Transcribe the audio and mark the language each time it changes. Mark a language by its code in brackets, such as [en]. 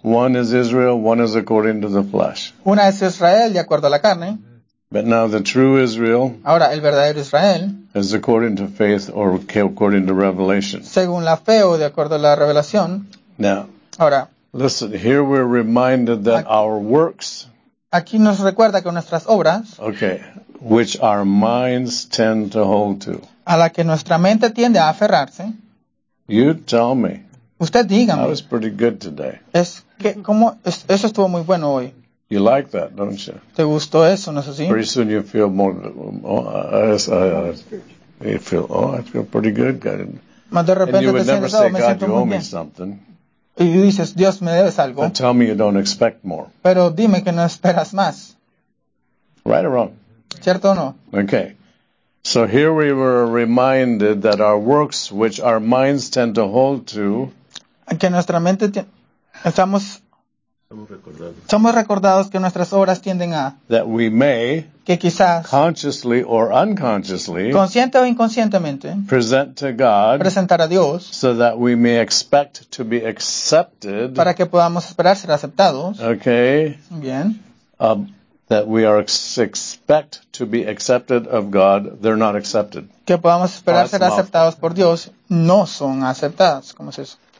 [en] One is Israel, one is according to the flesh. [es] Una es Israel, de acuerdo a la carne. [en] But now the true Israel, [es] Ahora, el verdadero Israel [en] is according to faith or according to revelation. [es] Según la fe o de acuerdo a la revelación. [en] Now, [es] Ahora, [en] listen, here we're reminded that our works, [es] aquí nos recuerda que nuestras obras, [en] okay, which our minds tend to hold to, [es] a la que nuestra mente tiende a aferrarse, [en] you tell me, [es] usted dígame, [en] that was pretty good today. [es] Es que, ¿cómo, eso estuvo muy bueno hoy. [en] You like that, don't you? [es] ¿Te gustó eso, no es así? [en] Pretty soon you feel more. I feel pretty good, God. [es] Más de repente [en] and you would [es] te [en] never [es] sientes, [en] say, God, you owe me something. [es] Y dices, Dios, me debes algo. [en] But tell me you don't expect more. [es] Pero dime que no esperas más. [en] Right or wrong? [es] ¿Cierto o no? [en] Okay. So here we were reminded that our works, which our minds tend to hold to. [es] Que nuestra mente. Estamos. Somos recordados que nuestras obras tienden a [en] that we may, [es] que quizás [en] consciously or unconsciously, [es] consciente o inconscientemente [en] present to God, [es] presentar a Dios [en] so that we may expect to be accepted, [es] para que podamos esperar ser aceptados. [en] Okay. [es] Bien. [en] That we are expect to be accepted of God, they're not accepted. [es] Que podamos esperar ser aceptados por Dios, no son aceptadas. ¿Cómo es eso?